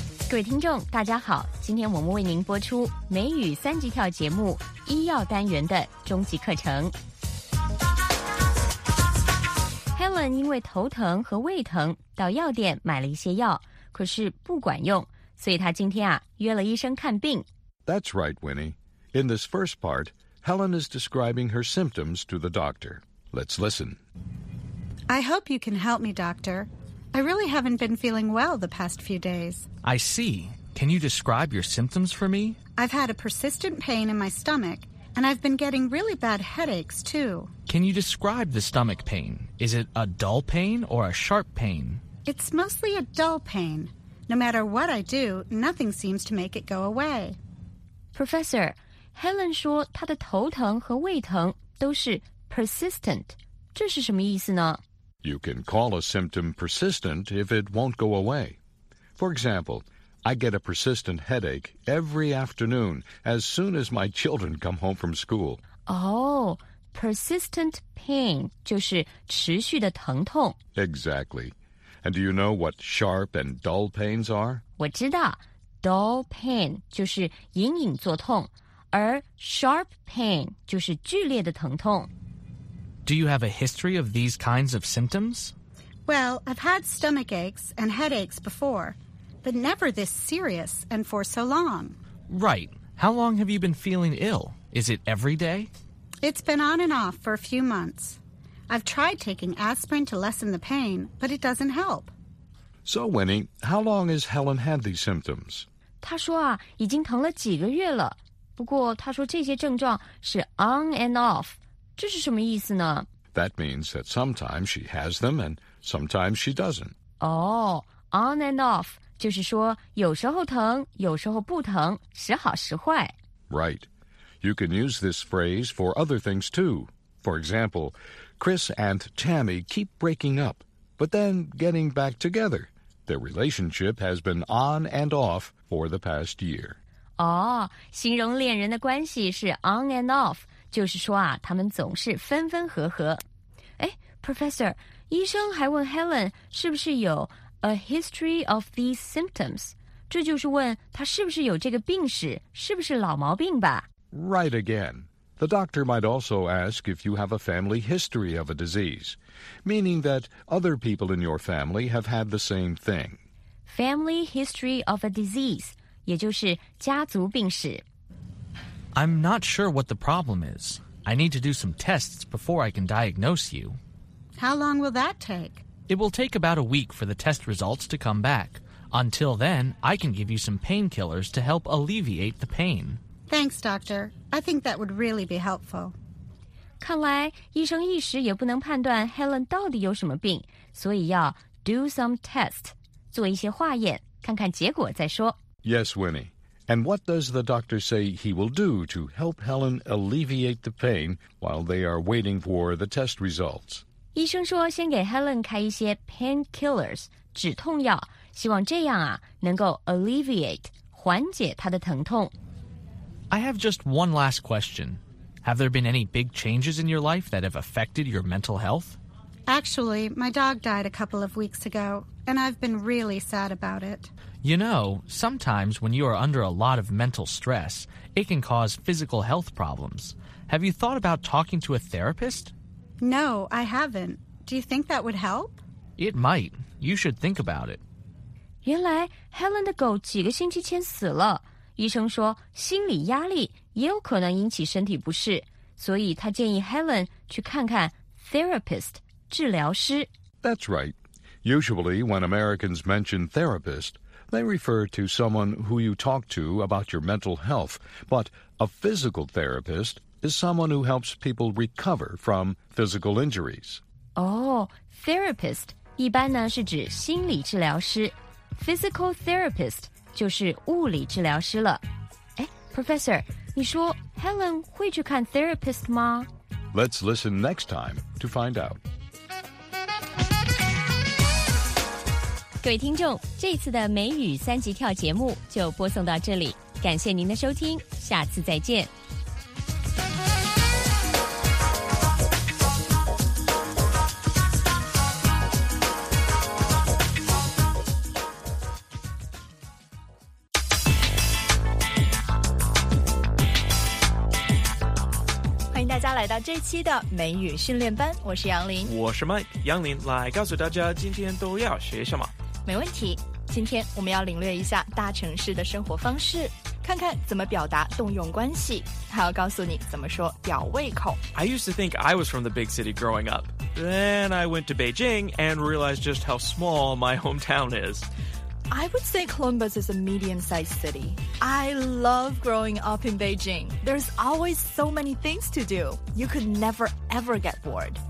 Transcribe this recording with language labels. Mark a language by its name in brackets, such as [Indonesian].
[Chinese] 各位听众大家好，今天我们为您播出美语三级跳节目医药单元的终极课程。 Helen 因为头疼和胃疼到药店买了一些药，可是不管用，所以她今天约了医生看病。 [English] That's right, Winnie. In this first part, Helen is describing her symptoms to the doctor. Let's listen. I hope you can help me, doctor. I really haven't been feeling well the past few days. I see. Can you describe your symptoms for me? I've had a persistent pain in my stomach, and I've been getting really bad headaches, too. Can you describe the stomach pain? Is it a dull pain or a sharp pain? It's mostly a dull pain. No matter what I do, nothing seems to make it go away. [Chinese] Professor, Helen 说她的头疼和胃疼都是 persistent, 这是什么意思呢? [English] You can call a symptom persistent if it won't go away. For example, I get a persistent headache every afternoon as soon as my children come home from school. [Chinese] Oh, [English] persistent pain [Chinese] 就是持续的疼痛。 [English] Exactly. And do you know what sharp and dull pains are? [Chinese] 我知道。 [English] Dull pain [Chinese] 就是隐隐作痛，而 [English] sharp pain [Chinese] 就是剧烈的疼痛。 [English] Do you have a history of these kinds of symptoms? Well, I've had stomach aches and headaches before, but never this serious and for so long. Right. How long have you been feeling ill? Is it every day? It's been on and off for a few months. I've tried taking aspirin to lessen the pain, but it doesn't help. So, Winnie, how long has Helen had these symptoms? [Chinese] 她说啊，已经疼了几个月了。不过她说这些症状是 [English] on and off。 [Chinese] 这是什么意思呢? [English] That means that sometimes she has them and sometimes she doesn't. [Chinese] Oh, [English] on and off [Chinese] 就是说有时候疼，有时候不疼，时好时坏。 [English] Right. You can use this phrase for other things too. For example, Chris and Tammy keep breaking up. But then getting back together, their relationship has been on and off for the past year. [Chinese] Oh, 形容恋人的关系是 [English] on and off, [Chinese] 就是说啊，他们总是分分合合。哎 ,Professor, 医生还问 Helen 是不是有 [English] a history of these symptoms? [Chinese] 这就是问他是不是有这个病史，是不是老毛病吧。 [English] Right again. The doctor might also ask if you have a family history of a disease, meaning that other people in your family have had the same thing. Family history of a disease, [Chinese] 也就是家族病史。 [English] I'm not sure what the problem is. I need to do some tests before I can diagnose you. How long will that take? It will take about a week for the test results to come back. Until then, I can give you some painkillers to help alleviate the pain. Thanks, doctor. I think that would really be helpful. [Chinese] 看来医生一时也不能判断 Helen 到底有什么病，所以要 [English] do some test, [Chinese] 做一些化验，看看结果再说。 [English] Yes, Winnie. And what does the doctor say he will do to help Helen alleviate the pain while they are waiting for the test results? [Chinese] 医生说先给 Helen 开一些 painkillers, 止痛药，希望这样啊，能够 alleviate, 缓解她的疼痛。 [English] I have just one last question. Have there been any big changes in your life that have affected your mental health? Actually, my dog died a couple of weeks ago, and I've been really sad about it. You know, sometimes when you are under a lot of mental stress, it can cause physical health problems. Have you thought about talking to a therapist? No, I haven't. Do you think that would help? It might. You should think about it. [Chinese] 原来 Helen 的狗几个星期前死了。医生说心理压力也有可能引起身体不适，所以他建议 Helen 去看看 therapist, 治疗师。 [English] That's right. Usually, when Americans mention therapist, they refer to someone who you talk to about your mental health, but a physical therapist is someone who helps people recover from physical injuries. [Chinese] Oh, therapist, 一般呢是指心理治疗师。 Physical therapist,就是物理治疗师了。哎 ,Professor, 你说 Helen 会去看 therapist 吗? [English] Let's listen next time to find out. [Chinese] 各位听众，这次的美语三级跳节目就播送到这里，感谢您的收听，下次再见。大家来到这期的美语训练班，我是杨林，我是 Mike。杨林来告诉大家今天都要学什么。没问题，今天我们要领略一下大城市的生活方式，看看怎么表达动用关系，还要告诉你怎么说吊胃口。 [English] I used to think I was from the big city growing up. Then I went to Beijing and realized just how small my hometown is. I would say Columbus is a medium-sized city. I love growing up in Beijing. There's always so many things to do. You could never ever get bored.